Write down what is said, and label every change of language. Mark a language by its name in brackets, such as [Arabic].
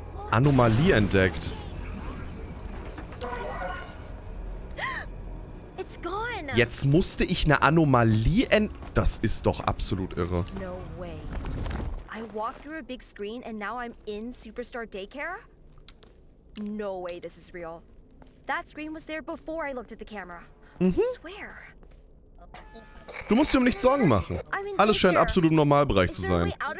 [German] Anomalie entdeckt. Jetzt musste ich eine Anomalie entdecken. Das ist doch absolut irre. [English] No way. I walked through a big screen and now I'm in Superstar Daycare? No way, this is real. That screen was there before I looked at the camera. Mhm. I swear. [German] Du musst dir um nichts Sorgen machen. Alles scheint absolut im Normalbereich zu sein.